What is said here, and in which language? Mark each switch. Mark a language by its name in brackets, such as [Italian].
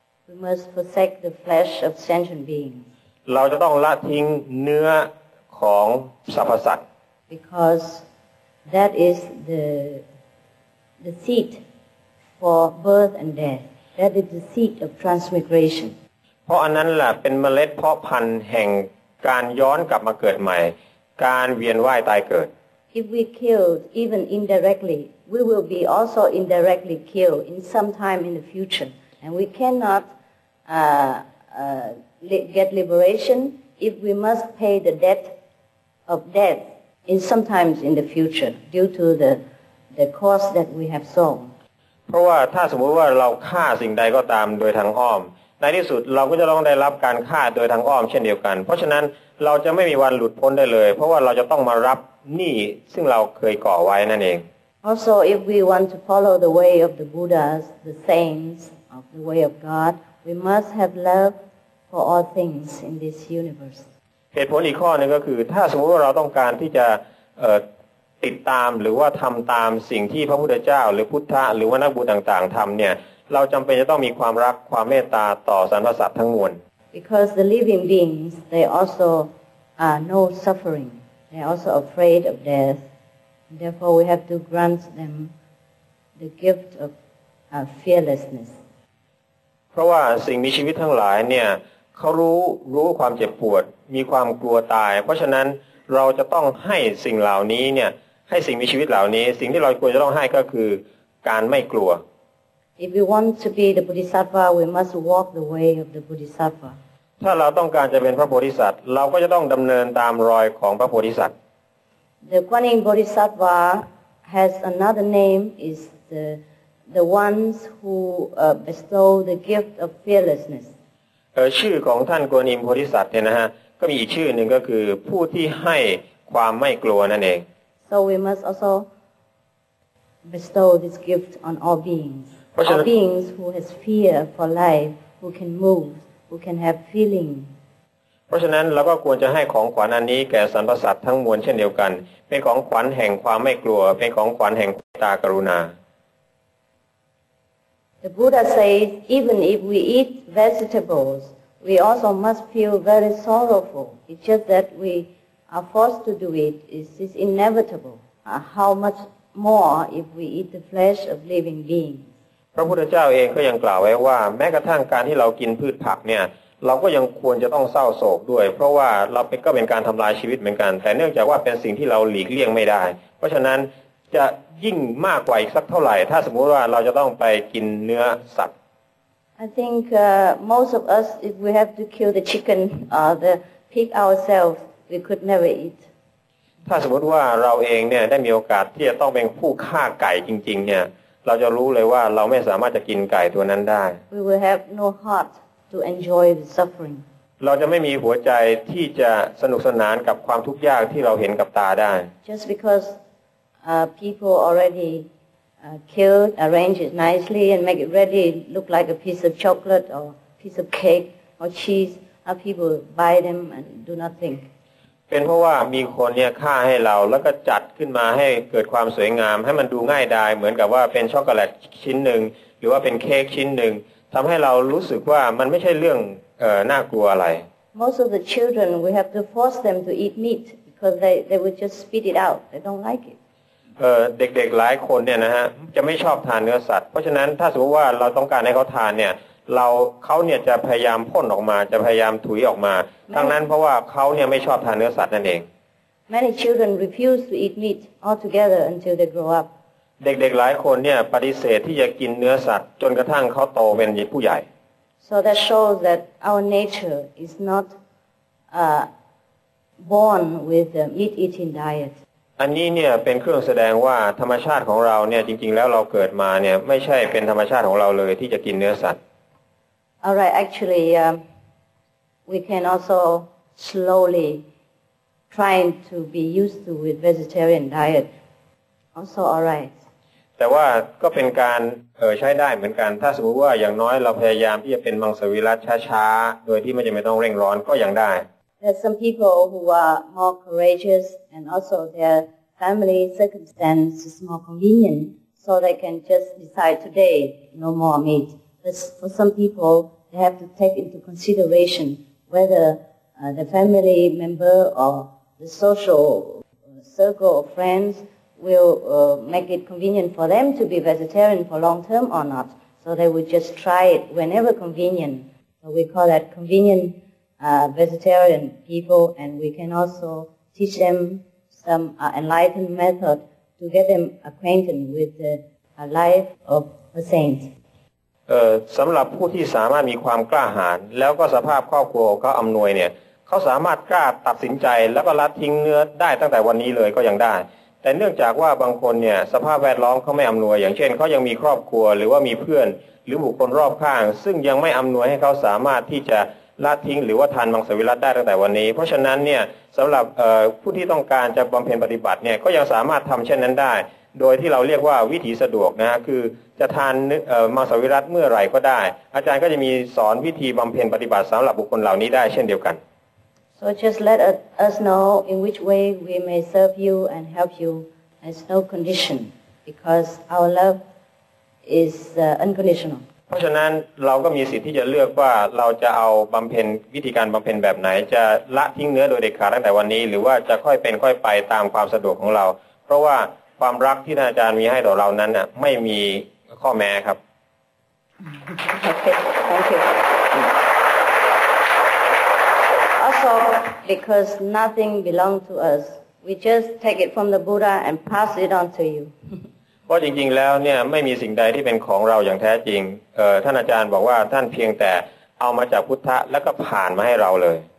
[English] We must forsake the flesh of sentient beings [Thai] เราจะต้องละทิ้งเนื้อของสรรพสัตว์ [English] Because that is the seat for birth and death That is the seat of transmigration [Thai] เพราะอันนั้นล่ะเป็นเมล็ดเพาะพันธุ์แห่งการย้อนกลับมาเกิดใหม่การเวียนว่ายตายเกิด [English] If we kill even indirectly we will be also indirectly killed in some time in the future and we cannot get liberation if we must pay the debt of death in sometimes in the future due to the cost that we have sown [Thai] เพราะว่าถ้าสมมติว่าเราฆ่าสิ่งใดก็ตามโดยทางอ้อมในที่สุดเราก็จะต้องได้รับการฆ่าโดยทางอ้อมเช่นเดียวกันเพราะฉะนั้นเราจะไม่มีวันหลุดพ้นได้เลยเพราะว่าเราจะต้องมารับหนี้ซึ่งเราเคยก่อไว้นั่นเอง [English] Also if we want to follow the way of the Buddhas the saints of the way of God we must have love for all things in this universe [Thai] เหตุผลอีกข้อนึงก็คือถ้าสมมติว่าเราต้องการที่จะติดตามหรือว่าทําตามสิ่งที่พระพุทธเจ้าหรือพุทธะหรือว่านักบุญต่างๆทําเนี่ยเราจำเป็นจะต้องมีความรักความเมตตาต่อสรรพสัตว์ทั้งมวล [English] Because the living beings they also know suffering they also afraid of death therefore we have to grant them the gift of fearlessness [Thai] เพราะว่าสิ่งมีชีวิตทั้งหลายเนี่ยเขารู้ความเจ็บปวดมีความกลัวตายเพราะฉะนั้นเราจะต้องให้สิ่งเหล่านี้เนี่ยให้สิ่งมีชีวิตเหล่านี้สิ่งที่เราควรจะต้องให้ก็คือการไม่กลัว [English] If we want to be the Bodhisattva, we must walk the way of the Bodhisattva. [Thai] ถ้าเราต้องการจะเป็นพระโพธิสัตว์เราก็จะต้องดำเนินตามรอยของพระโพธิสัตว์ [English] The Guanyin Bodhisattva has another name, is the ones who bestow the gift of fearlessness. [Thai] ชื่อของท่านกวนอิมโพธิสัตว์เนี่ยนะฮะก็มีอีกชื่อหนึ่งก็คือผู้ที่ให้ความไม่กลัวนั่นเอง [English] So we must also bestow this gift on all beings. All beings who has fear for life, who can move, who can have feeling. [Thai] เพราะฉะนั้นเราก็ควรจะให้ของขวัญอันนี้แก่สรรพสัตว์ทั้งมวลเช่นเดียวกันเป็นของขวัญแห่งความไม่กลัวเป็นของขวัญแห่งตากรุณา [English] The Buddha says, even if we eat vegetables, we also must feel very sorrowful. It's just that we are forced to do it. It's inevitable. How much more if we eat the flesh of living beings? [Thai] พระพุทธเจ้าเองก็ยังกล่าวไว้ว่าแม้กระทั่งการที่เรากินพืชผักเนี่ยเราก็ยังควรจะต้องเศร้าโศกด้วยเพราะว่าเราก็เป็นการทำลายชีวิตเหมือนกันแต่เนื่องจากว่าเป็นสิ่งที่เราหลีกเลี่ยงไม่ได้เพราะฉะนั้นจะยิ่งมากกว่าอีกสักเท่าไหร่ถ้าสมมติว่าเราจะต้องไปกินเนื้อสัตว์ [English] I think most of us if we have to kill the chicken or the pig ourselves we could never eat [Thai] ถ้าสมมติว่าเราเองเนี่ยได้มีโอกาสที่จะต้องเป็นผู้ฆ่าไก่จริงๆเนี่ยเราจะรู้เลยว่าเราไม่สามารถจะกินไก่ตัวนั้นได้ [English] We will have no heart to enjoy the suffering [Thai] เราจะไม่มีหัวใจที่จะสนุกสนานกับความทุกข์ยากที่เราเห็นกับตาได้ [English] Just because people already killed arrange it nicely and make it ready look like a piece of chocolate or piece of cake or cheese how people buy them and do not think [Thai] เป็นเพราะว่ามีคนเนี่ยฆ่าให้เราแล้วก็จัดขึ้นมาให้เกิดความสวยงามให้มันดูง่ายดายเหมือนกับว่าเป็นช็อกโกแลตชิ้นหนึ่งหรือว่าเป็นเค้กชิ้นหนึ่งทำให้เรารู้สึกว่ามันไม่ใช่เรื่องน่ากลัวอะไร [English] Most of the children we have to force them to eat meat because they would just spit it out they don't like it [Thai] เด็กๆหลายคนเนี่ยนะฮะจะไม่ชอบทานเนื้อสัตว์เพราะฉะนั้นถ้าสมมติว่าเราต้องการให้เขาทานเนี่ยเขาเนี่ยจะพยายามพ่นออกมาจะพยายามถุยออกมาดังนั้นเพราะว่าเขาเนี่ยไม่ชอบทานเนื้อสัตว์นั่นเอง [English] Many children refuse to eat meat altogether until they grow up [Thai] เด็กๆหลายคนเนี่ยปฏิเสธที่จะกินเนื้อสัตว์จนกระทั่งเขาโตเป็นผู้ใหญ่ [English] So that shows that our nature is not born with a meat eating diet [Thai] อันนี้เนี่ยเป็นเครื่องแสดงว่าธรรมชาติของเราเนี่ยจริงๆแล้วเราเกิดมาเนี่ยไม่ใช่เป็นธรรมชาติของเราเลยที่จะกินเนื้อสัตว์ [English] All right, actually, we can also slowly trying to be used to with vegetarian diet. Also, all right. [Thai] แต่ว่าก็เป็นการใช้ได้เหมือนกันถ้าสมมติว่าอย่างน้อยเราพยายามที่จะเป็นมังสวิรัติช้าๆโดยที่ไม่จำเป็นต้องเร่งร้อนก็ยังได้ [English] There's some people who are more courageous and also their family circumstances is more convenient so they can just decide today no more meat. But for some people, they have to take into consideration whether the family member or the social circle of friends will make it convenient for them to be vegetarian for long term or not. So they will just try it whenever convenient. So we call that convenientvegetarian people, and we can also teach them some enlightened method to get them acquainted with the life of a saint. [Thai] สำหรับผู้ที่สามารถมีความกล้าหาญแล้วก็สภาพครอบครัวเขาอำนวยเนี่ยเขาสามารถกล้าตัดสินใจแล้วก็ละทิ้งเนื้อได้ตั้งแต่วันนี้เลยก็ยังได้แต่เนื่องจากว่าบางคนเนี่ยสภาพแวดล้อมเขาไม่อำนวยอย่างเช่นเขายังมีครอบครัวหรือว่ามีเพื่อนหรือบุคคลรอบข้างซึ่งยังไม่อำนวยให้เขาสามารถที่จะละทิ้งหรือว่าทานมังสวิรัติได้ตั้งแต่วันนี้เพราะฉะนั้นเนี่ยสำหรับ ผู้ที่ต้องการจะบำเพ็ญปฏิบัติเนี่ยก็ยังสามารถทำเช่นนั้นได้โดยที่เราเรียกว่าวิธีสะดวกนะคือจะทานมังสวิรัติเมื่อไหร่ก็ได้อาจารย์ก็จะมีสอนวิธีบำเพ็ญปฏิบัติสำหรับบุคคลเหล่านี้ได้เช่นเดียวกัน [English] So just let us know in which way we may serve you and help you as no condition because our love is unconditional. [Thai] เพราะฉะนั้นเราก็มีสิทธิ์ที่จะเลือกว่าเราจะเอาบำเพ็ญวิธีการบำเพ็ญแบบไหนจะละทิ้งเนื้อโดยเด็ดขาดตั้งแต่วันนี้หรือว่าจะค่อยเป็นค่อยไปตามความสะดวกของเราเพราะว่าความรักที่ท่านอาจารย์มีให้ต่อเรานั้นน่ะไม่มีข้อแม้ครับ [English] โอเค Also because nothing belong to us we just take it from the Buddha and pass it on to you [Thai] เพราะจริงๆแล้วเนี่ยไม่มีสิ่งใดที่เป็นของเราอย่างแท้จริงท่านอาจารย์บอกว่าท่านเพียงแต่เอามาจากพุทธะแล้วก็ผ่านมาให้เราเลย